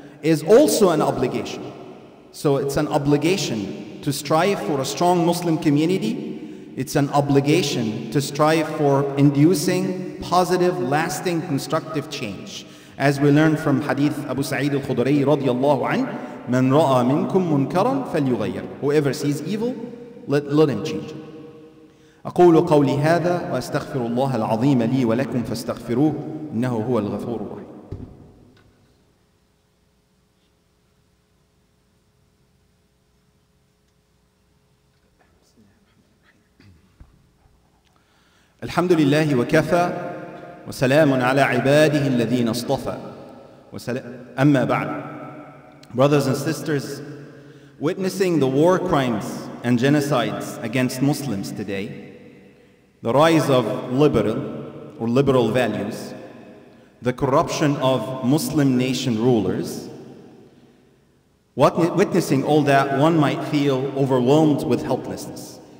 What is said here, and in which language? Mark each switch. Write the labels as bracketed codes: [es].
[en] is also an obligation. So it's an obligation to strive for a strong Muslim community. It's an obligation to strive for inducing positive, lasting, constructive change. As we learn from Hadith Abu Sa'id al-Khudri radiallahu anhu, [ar] من رأى منكم منكرا فليغير. [en] Whoever sees evil, let him change. [ar] أقول قولي هذا وأستغفر الله العظيم لي ولكم فاستغفروه إنه هو الغفور الرحيم. الحمد لله وكفى وسلام على عباده الذين اصطفى أما بعد. [en] Brothers and sisters, witnessing the war crimes and genocides against Muslims today, the rise of liberal values, the corruption of Muslim nation rulers, witnessing all that, one might feel overwhelmed with helplessness.